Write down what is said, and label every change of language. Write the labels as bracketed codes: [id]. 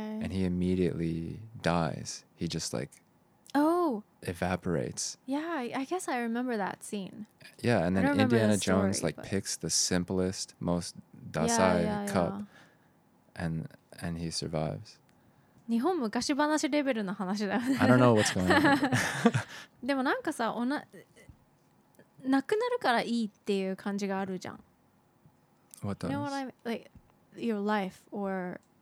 [en] And he immediately dies. He just like oh evaporates. Yeah, I guess I remember that scene. Yeah, and then Indiana Jones story, like picks the simplest, most dasai cup and he survives. [ja] 日本昔話レベルの話だよね [en] I don't know what's going on [ja] でもなんかさなくなるからいいっていう感じがあるじゃん [en] What does? You know what I mean? Like your life or、your